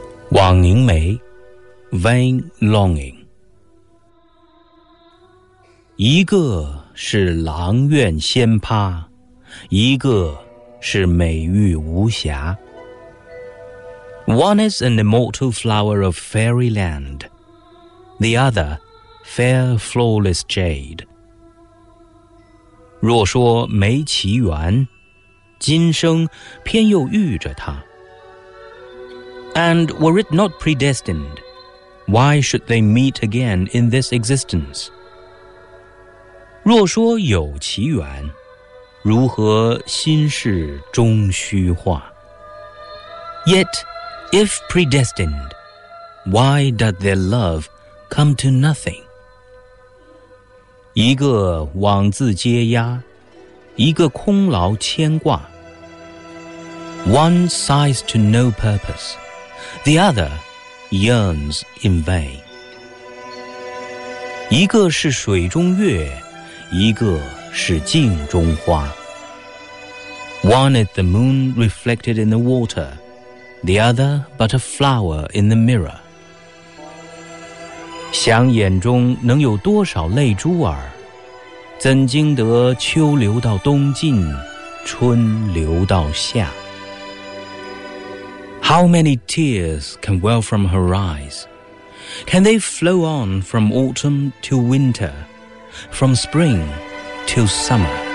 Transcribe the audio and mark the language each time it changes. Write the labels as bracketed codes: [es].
[zh] 往凝眉 ， [en] vain longing。 [zh] 一个是阆苑仙葩，一个是美玉无瑕。 [en] One is an immortal flower of fairyland, the other fair flawless jade。 [zh] 若说没奇缘，今生偏又遇着他。 [en] And were it not predestined, why should they meet again in this existence? [zh] 若说有奇缘，如何心事终虚化？ [en] Yet, if predestined, why doth their love come to nothing? [zh] 一个枉自嗟呀，一个空劳牵挂。 [en] One sighs to no purpose. The other yearns in vain. [zh] 一个是水中月，一个是镜中花。 [en] One is the moon reflected in the water, the other but a flower in the mirror. [zh] 想眼中能有多少泪珠儿，怎经得秋流到冬尽，春流到夏。 [en] How many tears can well from her eyes? Can they flow on from autumn to winter, from spring to summer?